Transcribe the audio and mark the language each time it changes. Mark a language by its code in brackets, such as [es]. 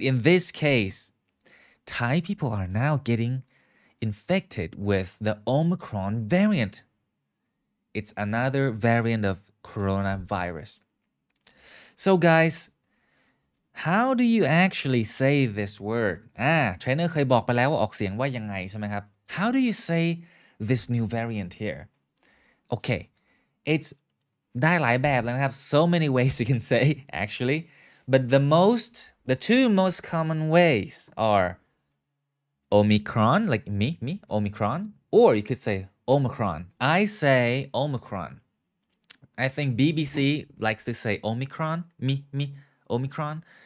[en] In this case, Thai people are now getting infected with the Omicron variant. It's another variant of coronavirus. So guys, how do you actually say this word? [th] Trainer เคยบอกไปแล้วว่าออกเสียงว่ายังไงใช่ไหมครับ? [en] How do you say this new variant here? Okay, it's [th] ได้หลายแบบแล้วนะครับ. [en] So many ways you can say actually, but the two most common ways are Omicron, like me, Omicron, or you could say Omicron. I say Omicron. I think BBC likes to say Omicron, me, Omicron.